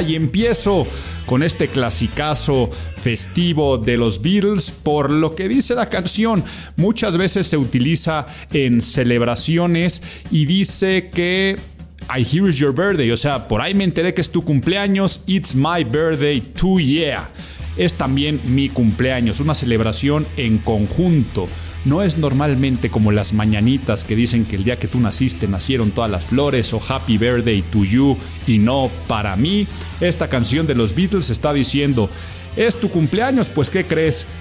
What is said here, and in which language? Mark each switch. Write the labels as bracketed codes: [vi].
[es] Y empiezo con este clasicazo festivo de los Beatles, por lo que dice la canción. Muchas veces se utiliza en celebraciones y dice que I hear it's your birthday, o sea, por ahí me enteré que es tu cumpleaños. [en] It's my birthday too, yeah. [es] Es también mi cumpleaños, una celebración en conjunto. No es normalmente como las mañanitas que dicen que el día que tú naciste nacieron todas las flores o happy birthday to you y no para mí. Esta canción de los Beatles está diciendo, es tu cumpleaños, pues ¿qué crees?